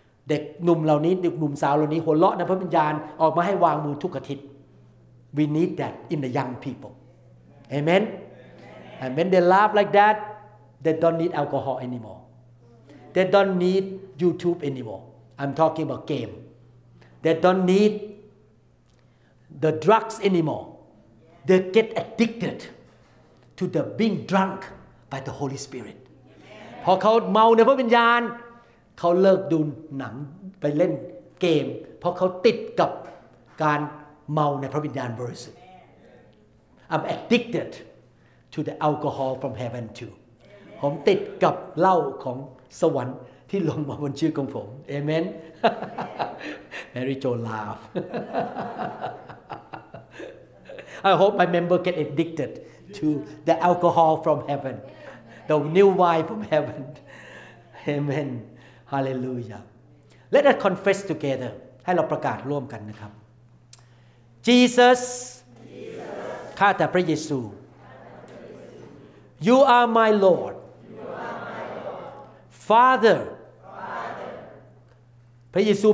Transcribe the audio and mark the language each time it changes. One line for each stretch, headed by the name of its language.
Thai: เด็กหนุ่มเหล่านี้เด็กหนุ่มสาวเหล่านี้หัวเราะในพระวิญญาณออกมาให้วางมือทุกอาทิตย์
English: We need that in the young people AmenAnd when they laugh like that, they don't need alcohol anymore. They don't need YouTube anymore. I'm talking about game. they don't need the drugs anymore. They get addicted to the being drunk by the Holy Spirit.
Thai: พอเขาเมาในพระวิญญาณเขาเลิกดูหนังไปเล่นเกมเพราะเขาติดกับการเมาในพระวิญญาณบริสุทธิ์
English: I'm addicted to the alcohol from heaven too.
Thai: ผมติดกับเหล้าของสวรรค์ที่ลงมาบนชื่อของผม
English: Amen. Mary Jo laugh. I hope my member get addicted to the alcohol from heaven, the new wine from heaven. Amen. Hallelujah. Let us confess together.
Thai: ให้เราประกาศร่วมกันนะครับ
English: Jesus.
Thai: ข้าแต่พระเยซู You are my Lord Father พระเยซู